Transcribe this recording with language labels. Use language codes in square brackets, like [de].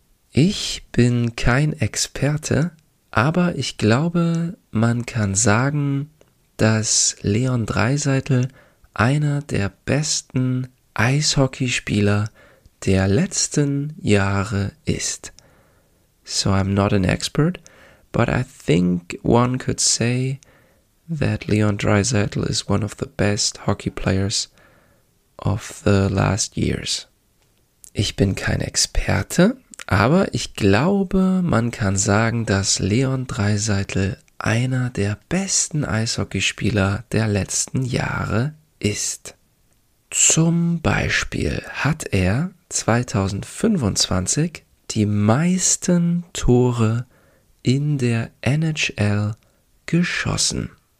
[de] Ich bin kein Experte, aber ich glaube, man kann sagen, dass Leon Dreiseitel einer der besten Eishockeyspieler der letzten Jahre ist. [en] So I'm not an expert, but I think one could say that Leon Dreiseitel is one of the best hockey players of the last years. [de] Ich bin kein Experte, aber ich glaube, man kann sagen, dass Leon Dreiseitel einer der besten Eishockeyspieler der letzten Jahre ist. Zum Beispiel hat er 2025 die meisten Tore in der NHL geschossen.